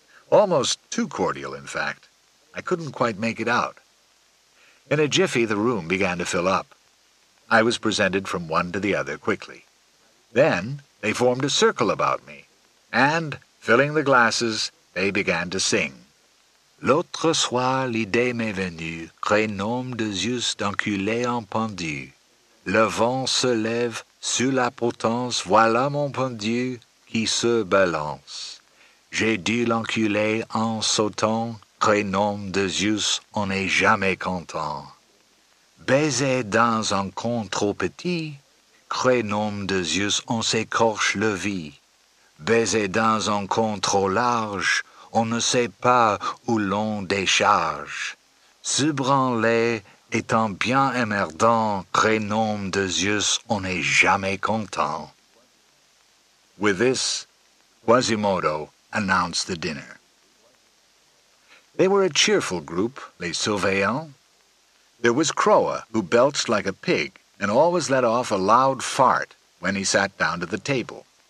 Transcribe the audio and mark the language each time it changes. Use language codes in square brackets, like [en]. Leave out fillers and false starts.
[en] Almost too cordial, in fact. I couldn't quite make it out. In a jiffy, the room began to fill up. I was presented from one to the other quickly. Then they formed a circle about me, and, filling the glasses, they began to sing. [fr] L'autre soir l'idée m'est venue, crénom de Zeus d'enculé en pendu. Le vent se lève sur la potence, voilà mon pendu qui se balance. J'ai dû l'enculer en sautant, crénom de Zeus, on n'est jamais content. Baiser dans un con trop petit, crénom de Zeus, on s'écorche le vie. Baiser dans un con trop large, on ne sait pas où l'on décharge. Se branler étant bien émerdant, crénom de Zeus, on n'est jamais content. [en] With this, Quasimodo announced the dinner. They were a cheerful group, [fr] les surveillants. [en] There was Croa, who belched like a pig and always let off a loud fart when he sat down to the table.